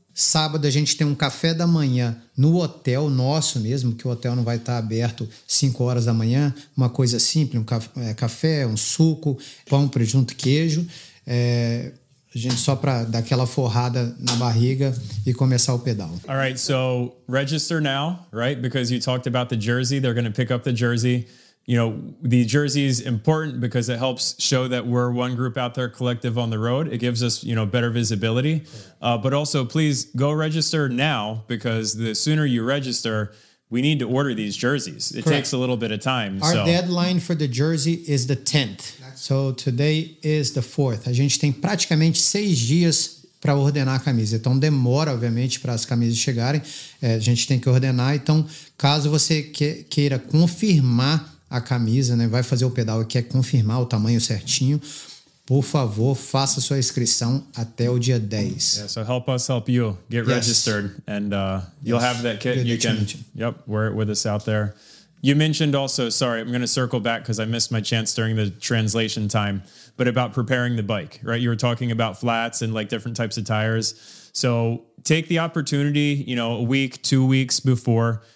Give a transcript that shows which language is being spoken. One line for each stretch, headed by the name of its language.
Portuguese: Sábado a gente tem um café da manhã no hotel nosso mesmo, que o hotel não vai estar aberto 5 horas da manhã. Uma coisa simples, um café, um suco, pão, presunto, queijo. É, a gente só para dar aquela forrada na barriga e começar o pedal.
English: All right, so register now, right? Because you talked about the jersey, they're going to pick up the jersey. You know, the jersey is important because it helps show that we're one group out there, collective on the road. It gives us, you know, better visibility. But also, please go register now, because the sooner you register, we need to order these jerseys. It takes a little bit of time. Our deadline for the jersey is the 10th. So today is the 4th.
Portuguese: A gente tem praticamente 6 dias para ordenar a camisa. Então demora, obviamente, para as camisas chegarem. É, a gente tem que ordenar. Então, caso você queira confirmar a camisa, né, vai fazer o pedal e quer confirmar o tamanho certinho, por favor, faça sua inscrição até o dia 10.
English: Yeah, so help us help you get registered and you'll have that kit. You can, yep, wear it with us out there. You mentioned also, sorry, I'm going to circle back because I missed my chance during the translation time, but about preparing the bike, right? You were talking about flats and like different types of tires. So take the opportunity, you know, a week, 2 weeks before.